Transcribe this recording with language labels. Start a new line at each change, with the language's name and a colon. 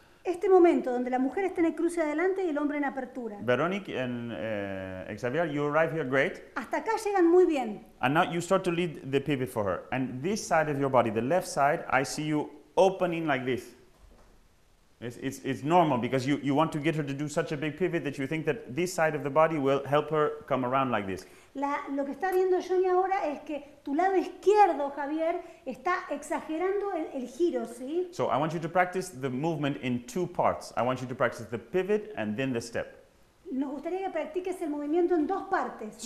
Spanish: este momento donde la mujer está en el cruce adelante y el hombre en apertura,
English: Veronique and Xavier, you arrive here great.
Spanish: Hasta acá llegan muy bien.
English: And now you start to lead the pivot for her. And this side of your body, the left side, I see you opening like this. It's normal because you want to get her to do such a big pivot that you think that this side of the body will help her come around like this.
Spanish: Lo que está viendo Johnny ahora es que tu lado izquierdo, Javier, está exagerando el giro, ¿sí?
English: So I want you to practice the movement in two parts. I want you to practice the pivot and then the step.
Spanish: Nos gustaría que practiques el movimiento en dos partes.